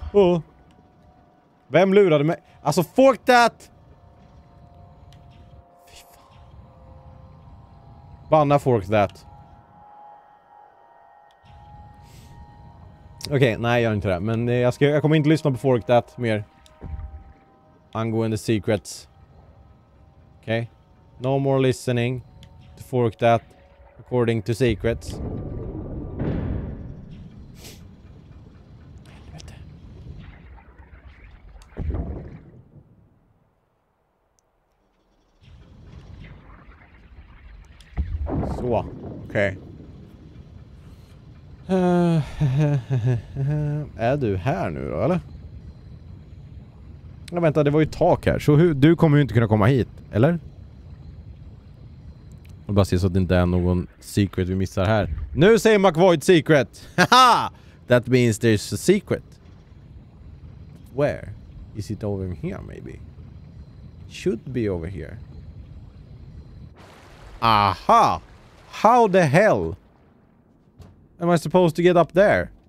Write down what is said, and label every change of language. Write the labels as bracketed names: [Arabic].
[Swedish] Oh. Vem lurade mig? Alltså, fuck that! Fy fan. Banna fuck that. Okej, okay, nej jag gör inte det. Men jag kommer inte lyssna på fuck that mer. Angående secrets. Okej. [English] Okay. No more listening to fuck that according to secrets. [Swedish] Så. Okej. [English] Okay. [Swedish] Är du här nu då, eller? Ja, vänta, det var ju tak här. Så du kommer ju inte kunna komma hit, eller? Jag bara ser så att det inte är någon secret vi missar här. Nu säger McVoid secret! Haha! [English] That means there's a secret. Where? Is it over here, maybe? It should be over here. Aha! How the hell am I supposed to get up there?